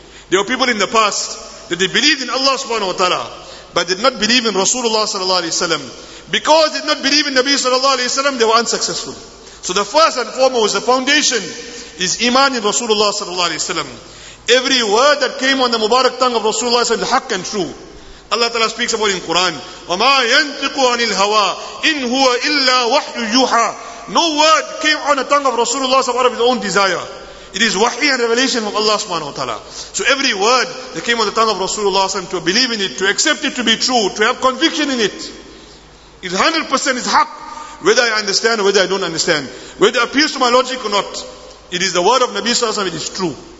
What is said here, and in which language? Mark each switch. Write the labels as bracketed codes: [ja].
[en] There were people in the past that they believed in Allah subhanahu wa ta'ala, but did not believe in Rasulullah sallallahu alaihi wasallam. Because they did not believe in Nabi sallallahu alaihi wasallam, they were unsuccessful. So the first and foremost, the foundation is iman in Rasulullah sallallahu alaihi wasallam. Every word that came on the mubarak tongue of Rasulullah is haq and true. Allah ta'ala speaks about in Quran, [ar] وَمَا يَنْتِقُ عَنِ الْهَوَىٰ إِنْ هُوَ إِلَّا وَحْيُ يُوحَىٰ. [en] No word came on the tongue of Rasulullah sallallahu alaihi wasallam of his own desire. It is wahi and revelation from Allah subhanahu wa ta'ala. So every word that came on the tongue of Rasulullah sallallahu alaihi wasallam, to believe in it, to accept it to be true, to have conviction in it, is 100% is haq. Whether I understand or whether I don't understand, whether it appeals to my logic or not, it is the word of Nabi sallallahu alaihi wasallam, it is true.